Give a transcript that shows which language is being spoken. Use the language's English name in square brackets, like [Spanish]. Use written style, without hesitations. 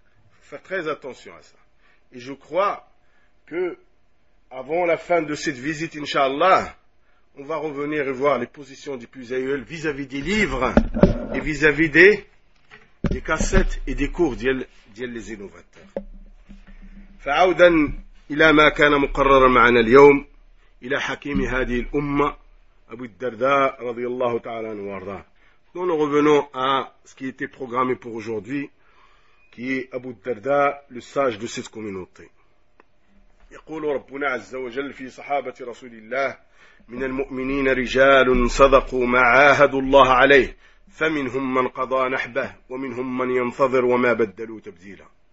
[French] Il faut faire très attention à ça. Et je crois que avant la fin de cette visite, Inch'Allah, on va revenir et voir les positions du Puzayel vis-à-vis des livres et vis-à-vis des cassettes et des cours d'Yel les innovateurs. [Arabic] فعودا إلى ما كان مقررا معنا اليوم إلى حكيم هذه الأمة أبو الدرداء رضي الله تعالى عنه وارضاه. [French] Nous revenons à ce qui était programmé pour aujourd'hui, qui est Abu Darda, le sage de cette communauté. [Arabic] يقول ربنا عز وجل في صحابة رسول الله من المؤمنين رجال صدقوا ما عاهدوا الله عليه فمنهم من قضى نحبه ومنهم من ينتظر وما بدلوا تبديلا.